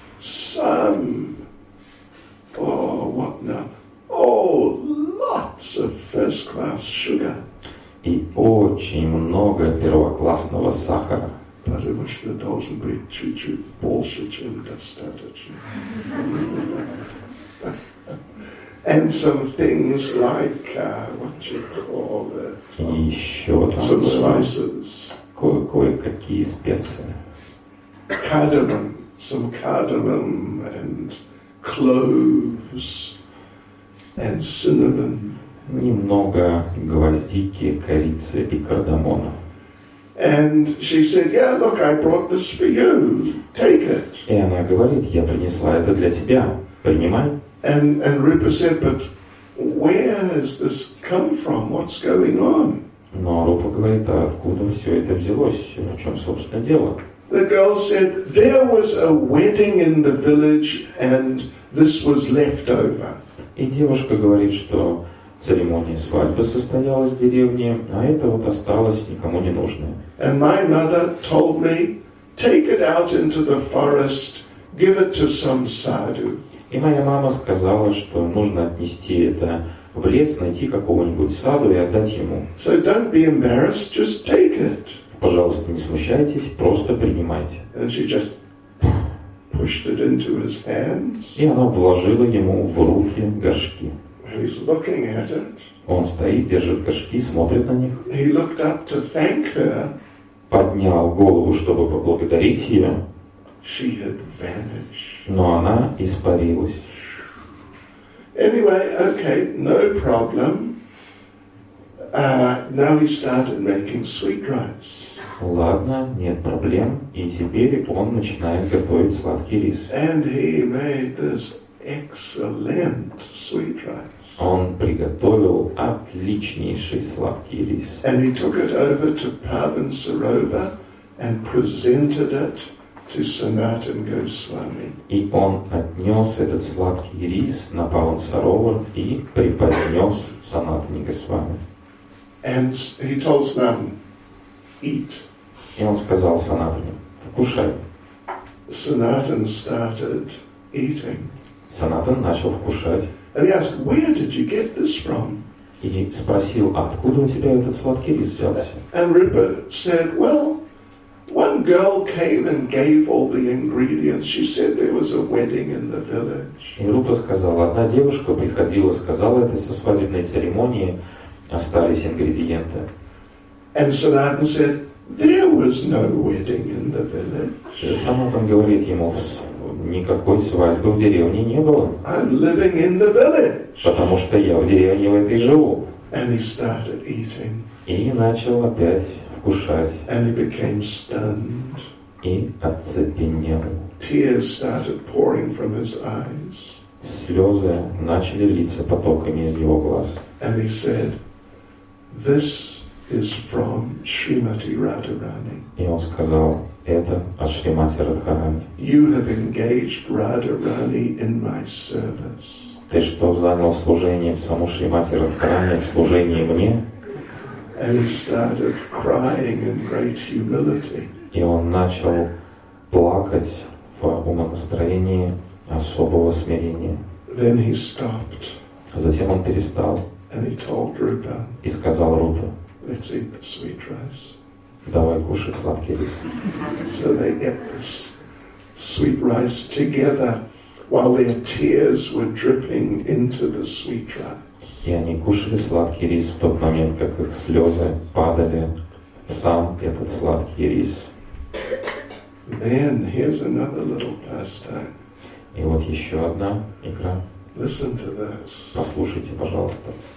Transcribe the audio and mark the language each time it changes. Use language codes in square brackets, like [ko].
[en] Some, what not? Oh. Lots of first-class sugar. [ru] И очень много первоклассного сахара. Потому что должен быть чуть-чуть больше, чем достаточно. [en] And some things like, what you call it? [ru] И еще там [en] some spices. [ru] Кое-какие специи. [en] Cardamom. Some cardamom and cloves. And cinnamon. [ru] Немного гвоздики, корицы и кардамона. [en] And she said, "Yeah, look, I brought this for you. Take it." [ru] И она говорит, я принесла это для тебя. Принимай. [en] And Rupa said, "But where has this come from? What's going on?" [ru] Но Рупа говорит, а откуда все это взялось? В чем собственно дело? [en] The girl said, "There was a wedding in the village, and this was left over." [ru] И девушка говорит, что церемония свадьбы состоялась в деревне, а это вот осталось никому не нужное. [en] And my mother told me, take it out into the forest, give it to some sadhu. [ru] И моя мама сказала, что нужно отнести это в лес, найти какого-нибудь саду и отдать ему. [en] So don't be embarrassed, just take it. [ru] Пожалуйста, не смущайтесь, просто принимайте. [en] And she just pushed it into his hands. [ru] И она вложила ему в руки горшки. [en] He's looking at it. [ru] Он стоит, держит горшки, смотрит на них. [en] He looked up to thank her. [ru] Поднял голову, чтобы поблагодарить ее. [en] She had vanished. [ru] Но она испарилась. [en] Anyway, okay, no problem. Now he started making sweet rice. [ru] Ладно, нет проблем, и теперь он начинает готовить сладкий рис. [en] And he made this excellent sweet rice. [ru] Он приготовил отличнейший сладкий рис. [en] And he took it over to Pavan Sarova and presented it to Sanatan Goswami. [ru] И он отнес этот сладкий рис на Pavan Sarova и преподнес Санатане Госвами. [en] And he told Sanatan, eat. [ru] И он сказал Санатане, вкушай. [en] Санатан started eating. [ru] Санатан начал вкушать. [en] And he asked, where did you get this from? [ru] И спросил, откуда у тебя этот сладкий рис взялся? [en] And Rupa said, well, one girl came and gave all the ingredients. She said there was a wedding in the village. [ru] И Рупа сказала, одна девушка приходила, сказала это со свадебной церемонии, остались ингредиенты. [en] And Санатан said, there was no wedding in the village. [ru] Санатан говорит ему, никакой свадьбы в деревне не было. [en] I'm living in the village. [ru] Потому что я в деревне в этой живу. [en] And he started eating. [ru] И начал опять вкушать. [en] And he became stunned. [ru] И оцепенел. [en] Tears started pouring from his eyes. [ru] Слезы начали литься потоками из его глаз. [en] And he said, this is from Srimati Radharani. [ru] И он сказал, это от Шримати Радхарани. [en] You have engaged Radharani in my service. [ru] Ты что, занял служение в саму Шримати Радхаране, в служении мне? [en] And started crying in great humility. [ru] И он начал плакать в умонастроении особого смирения. [en] Then he stopped. [ru] А затем он перестал. [en] And he told Rupa. [ru] И сказал Рупе. [en] Let's eat the sweet rice. [ru] Давай кушать сладкий рис. [en] So they ate this sweet rice together, while their tears were dripping into the sweet rice. [ru] И они кушали сладкий рис в тот момент, как их слезы падали в сам этот сладкий рис. [en] Then here's another little pastime. [ru] И вот еще одна игра. [en] Listen to this. [ru] Послушайте, пожалуйста.